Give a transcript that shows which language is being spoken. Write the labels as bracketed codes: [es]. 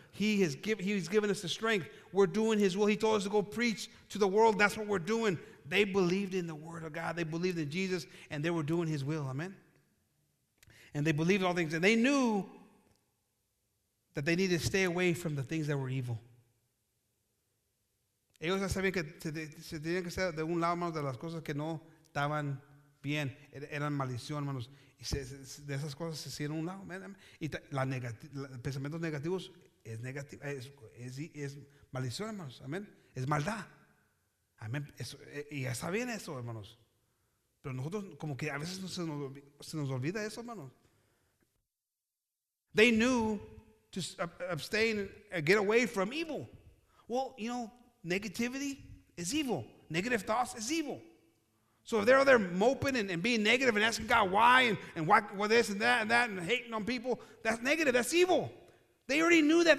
[en] He has given us the strength. We're doing His will. He told us to go preach to the world. That's what we're doing. They believed in the word of God. They believed in Jesus, and they were doing His will. Amen. And they believed all things, and they knew that they needed to stay away from the things that were evil. [es] Ellos ya sabían que se tenían que ser de un lado, hermanos, de las cosas que no estaban bien. Eran maldición, hermanos. Y de esas cosas se hicieron un lado. Y pensamientos negativos es maldición, hermanos. Amén. Es maldad. Amén. Y ya sabían eso, hermanos. Pero nosotros como que a veces se nos olvida eso, hermanos. [en] They knew to abstain, get away from evil. Well, you know, negativity is evil. Negative thoughts is evil. So if they're out there moping and being negative and asking God why and why what this and that and hating on people, that's negative, that's evil. They already knew that.